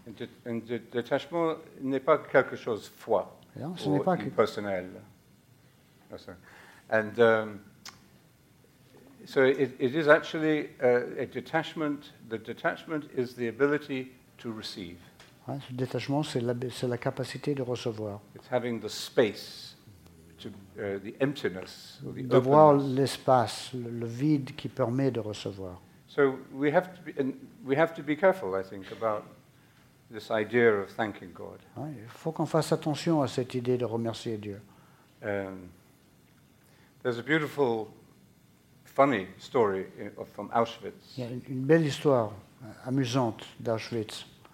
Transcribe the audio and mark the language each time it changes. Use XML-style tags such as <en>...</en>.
<fr>Et détachement n'est pas quelque chose de foi. Non, ce n'est pas personnel.</fr> <en>And so it is actually a detachment. The detachment is the ability to receive.</en> <fr>Ouais, ce détachement, c'est la capacité de recevoir.</fr> <en>It's having the space, the emptiness, or the openness.</en> <fr>Voir l'espace, le vide qui permet de recevoir.</fr> <en>So we have to be careful, I think, about this idea of thanking God.</en> <fr>Ouais, il faut qu'on fasse attention à cette idée de remercier Dieu.</fr> <en>There's a beautiful, funny story from Auschwitz.</en> <fr>Il y a une belle histoire amusante d'Auschwitz.</fr>